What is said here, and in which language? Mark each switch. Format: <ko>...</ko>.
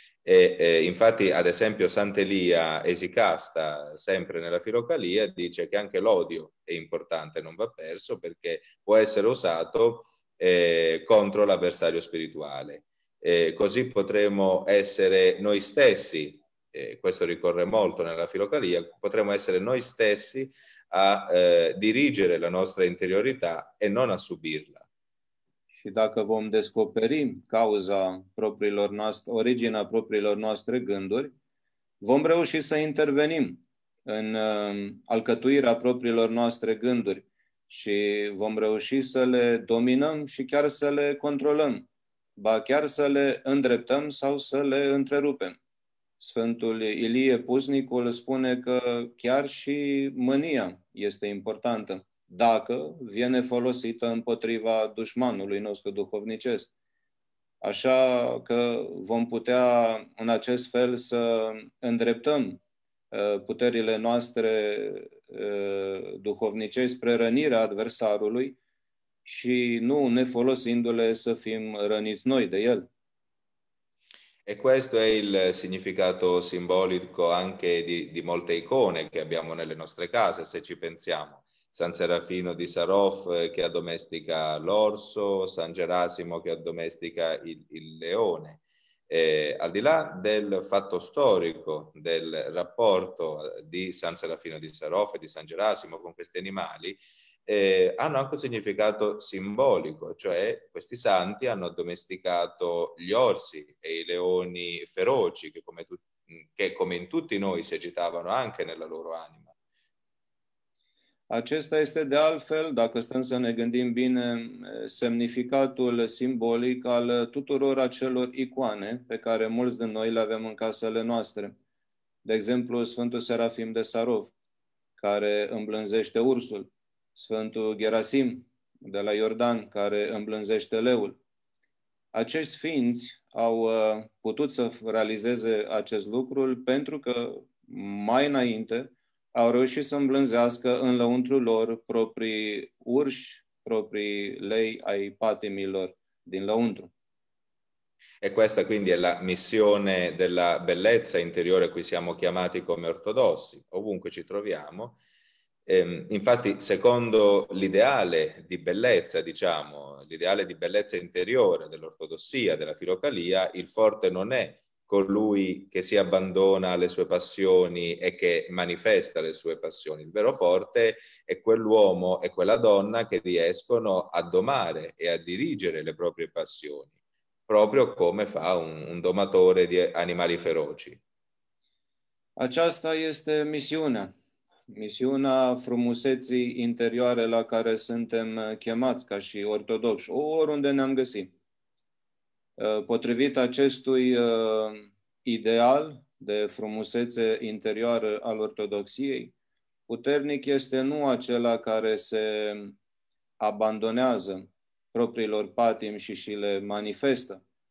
<it>E infatti, ad esempio, Sant'Elia Esicasta, sempre nella Filocalia, dice che anche l'odio è importante, non va perso, perché può essere usato contro l'avversario spirituale. Così potremo essere noi stessi, questo ricorre molto nella filocalia, potremmo essere noi stessi a dirigere la nostra interiorità e non a subirla.</it> <ro>Și dacă vom descoperi cauza propriilor noastre, originea propriilor noastre gânduri, vom reuși să intervenim în alcătuirea propriilor noastre gânduri și vom reuși să le dominăm și chiar să le controlăm, ba chiar să le îndreptăm sau să le întrerupem. Sfântul Ilie Pusnicul spune că chiar și mânia este importantă dacă vine folosită împotriva dușmanului nostru duhovnicesc. Așa că vom putea în acest fel să îndreptăm puterile noastre duhovnicești spre rănirea adversarului și nu ne folosindu-le să fim răniți noi de el.</ro> <it>E questo è il significato simbolico anche di molte icone che abbiamo nelle nostre case, se ci pensiamo. San Serafino di Sarov che addomestica l'orso, San Gerasimo che addomestica il leone. E, al di là del fatto storico, del rapporto di San Serafino di Sarov e di San Gerasimo con questi animali, hanno anche un significato simbolico, cioè questi santi hanno addomesticato gli orsi e i leoni feroci che come in tutti noi si agitavano anche nella loro anima.</it> <ro>Acesta este de altfel, dacă stăm să ne gândim bine, semnificatul simbolic al tuturor acelor icoane pe care mulți din noi le avem în casele noastre. De exemplu, Sfântul Serafim de Sarov, care îmblânzește ursul. Sfântul Gerasim de la Iordan, care îmblânzește leul. Acești sfinți au putut să realizeze acest lucru pentru că mai înainte au reușit să îmblânzească în lăuntru lor proprii urși, proprii lei ai patimilor din lăuntru.</ro> <it>E questa quindi è la missione della bellezza interiore a cui siamo chiamati come ortodossi, ovunque ci troviamo. Infatti, secondo l'ideale di bellezza, diciamo, l'ideale di bellezza interiore dell'ortodossia, della filocalia, il forte non è colui che si abbandona alle sue passioni e che manifesta le sue passioni. Il vero forte è quell'uomo e quella donna che riescono a domare e a dirigere le proprie passioni, proprio come fa un domatore di animali feroci.</it> <ro>Aceasta este misiunea. Misiunea frumuseții interioare la care suntem chemați ca și ortodoxi, oriunde ne-am găsit. Potrivit acestui ideal, de frumusețe interioară al ortodoxiei, puternic este nu acela care se abandonează propriilor patimi și le manifestă.</ro>